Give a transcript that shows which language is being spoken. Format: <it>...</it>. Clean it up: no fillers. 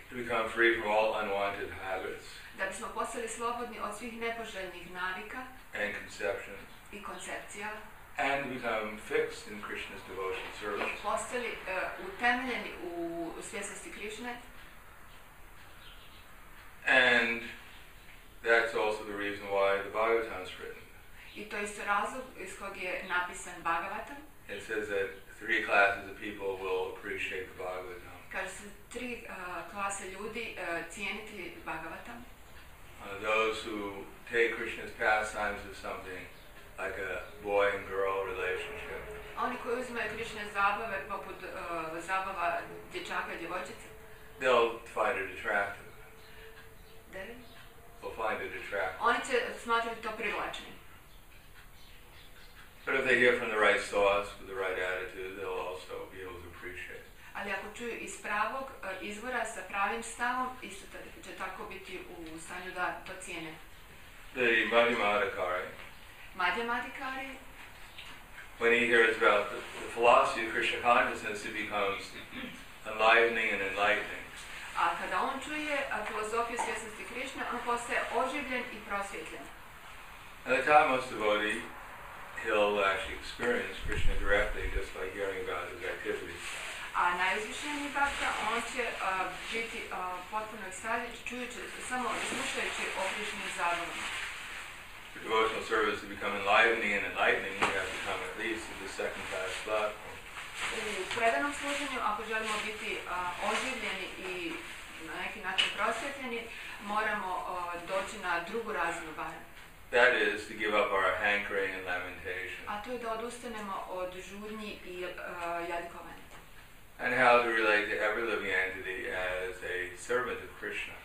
<en>To become free from all unwanted habits.</en> <hr>Da bismo postali slobodni od svih nepoželjnih navika</hr> <en>and conceptions</en> <hr>i koncepcija</hr> <en>and become fixed in Krishna's devotional service.</en> <hr>Postali utemeljeni u svjesnosti Krishne.</hr> <en>And that's also the reason why the Bhagavatam</en> <hr>I to isto razlog iz kog je napisan Bhagavatam.</hr> <en>It says that three classes of people will appreciate the Bhagavatam.</en> <hr>Kaže se tri klase ljudi cijeniti Bhagavatam.</hr> <en>Those who take Krishna's pastimes as something like a boy and girl relationship.</en> <hr>Oni koji uzimaju Krishna zabave poput zabava dječaka i djevojčice.</hr> <en>They'll find it attractive. They'll find it attractive.</en> <hr>Oni će smatrati to privlačnim.</hr> <en>But if they hear from the right source with the right attitude, they'll also be able to appreciate.</en> <hr>Ali ako čuju iz pravog izvora sa pravim stavom, isto će tako biti u stanju da to cijene.</hr> <en>The Madhyamadikari.</en> <hr>Madhyamadikari.</hr> <en>When he hears about the philosophy of Krishna consciousness, it becomes enlivening and enlightening.</en> <hr>A kada on čuje filozofiju svjesnosti Krishna, on postaje oživljen i prosvjetljen.</hr> <en>And the topmost devotee, he'll actually experience Krishna directly just by hearing about his activities.</en> <hr>A najuzvišeniji bhakta, on će biti potpuno ekstatičan čujući, samo slušajući o Krishnin zabavama.</hr> <en>For devotional service to become enlivening and enlightening, we have to come at least to the second class platform.</en> <hr>U predanom služenju, ako želimo biti oživljeni i na neki način prosvjetljeni, moramo doći na drugu razinu barem.</hr> <en>That is to give up our hankering and lamentation.</en> <hr>A to je da odustanemo od žurnji i jadikovanja.</hr> <en>And how to relate to every living entity as a servant of Krishna.</en>